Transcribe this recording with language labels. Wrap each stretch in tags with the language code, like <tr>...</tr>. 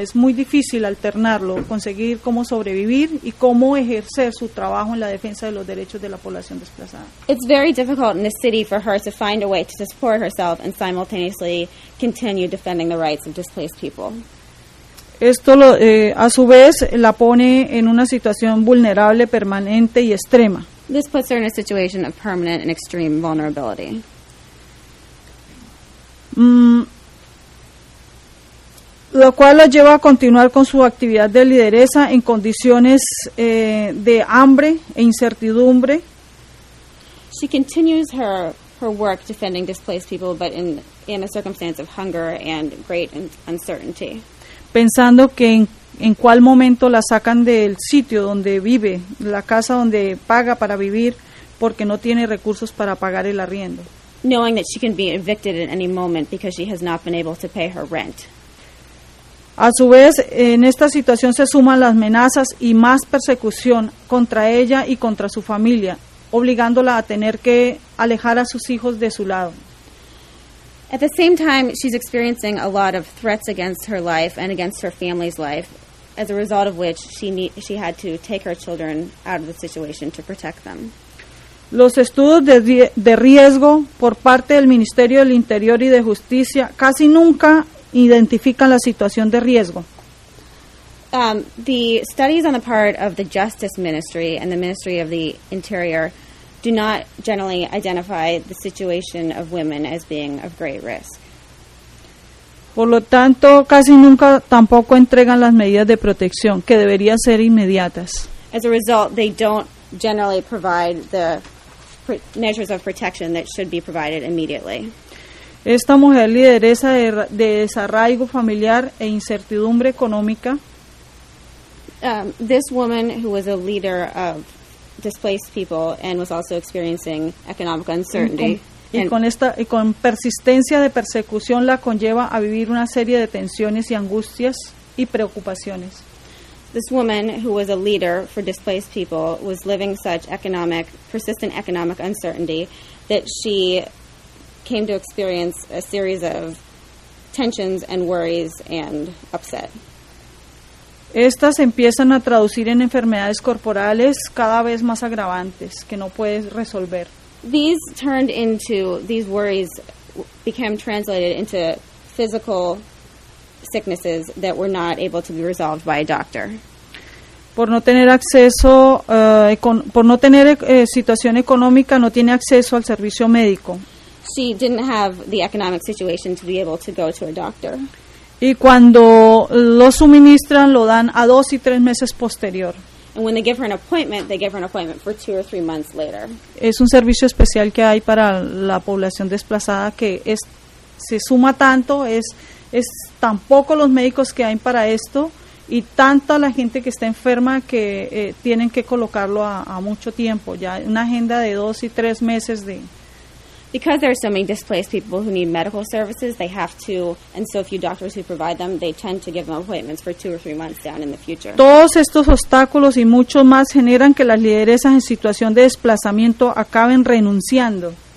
<es>Es muy difícil alternarlo, conseguir cómo sobrevivir y cómo ejercer su trabajo en la defensa de los derechos de la población desplazada.</es> <en>It's very difficult in the city for her to find a way to support herself and simultaneously continue defending the rights of displaced people.</en> <es>Esto a su vez la pone en una situación vulnerable, permanente y extrema.</es> <en>This puts her in a situation of permanent and extreme vulnerability.</en> <es>Lo cual la lleva a continuar con su actividad de lideresa en condiciones de hambre e incertidumbre.</es> <en>She continues her work defending displaced people, but in a circumstance of hunger and great uncertainty.</en> <es>Pensando que en cuál momento la sacan del sitio donde vive, la casa donde paga para vivir, porque no tiene recursos para pagar el arriendo.</es> <en>Knowing that she can be evicted at any moment because she has not been able to pay her rent.</en> <es>A su vez, en esta situación se suman las amenazas y más persecución contra ella y contra su familia, obligándola a tener que alejar a sus hijos de su lado.</es> <en>At the same time, she's experiencing a lot of threats against her life and against her family's life, as a result of which she had to take her children out of the situation to protect them.</en> <es>Los estudios de riesgo por parte del Ministerio del Interior y de Justicia casi nunca identifican la situación de riesgo.</es> <en>The studies on the part of the Justice Ministry and the Ministry of the Interior do not generally identify the situation of women as being of great risk.</en> <es>Por lo tanto, casi nunca tampoco entregan las medidas de protección que deberían ser inmediatas.</es> <en>As a result, they don't generally provide the measures of protection that should be provided immediately.</en> <es>Esta mujer lideresa de desarraigo familiar e incertidumbre económica.</es> <en>This woman who was a leader of displaced people and was also experiencing economic uncertainty.</en> <es>Y con persistencia de persecución la conlleva a vivir una serie de tensiones y angustias y preocupaciones.</es> <en>This woman who was a leader for displaced people was living such persistent economic uncertainty that she came to experience a series of tensions and worries and upset.</en> <es>Estas empiezan a traducir en enfermedades corporales cada vez más agravantes que no puedes resolver.</es> <en>These worries became translated into physical sicknesses that were not able to be resolved by a doctor.</en> <es>Por no tener situación económica, no tiene acceso al servicio médico.</es> <en>She didn't have the economic situation to be able to go to a doctor.</en> <es>Y cuando lo suministran, lo dan a 2 y 3 meses posterior.</es> <en>And when they give her an appointment, they give her an appointment for 2 or 3 months later.</en> <es>Es un servicio especial que hay para la población desplazada que es se suma tanto, es tan poco los médicos que hay para esto y tanta la gente que está enferma que tienen que colocarlo a mucho tiempo, ya una agenda de 2 y 3 meses de...</es> <en>Because there are so many displaced people who need medical services, they have to, and so few doctors who provide them, they tend to give them appointments for 2 or 3 months down in the future.</en> <es>Todos estos obstáculos y muchos más generan que las lideresas en situación de desplazamiento acaben renunciando.</es>